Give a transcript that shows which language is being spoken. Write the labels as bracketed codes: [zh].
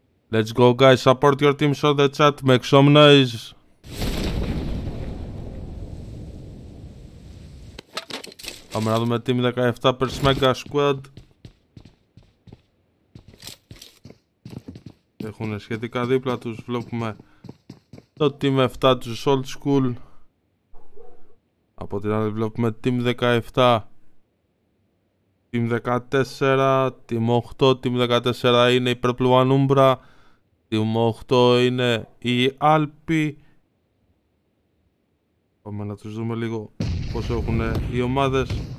[en] Let's go guys, support your teams on the chat, make some noise. [el] Πάμε να δούμε Team 17 vs Mega Squad. Έχουν σχετικά δίπλα τους, βλέπουμε το Team 7 τους Old School. Από την άλλη βλέπουμε Team 17, Team 14, Team 8, Team 14 είναι η Purple One Umbra, Team 8 είναι η Alpi. Πάμε να τους δούμε λίγο πως έχουν οι ομάδες.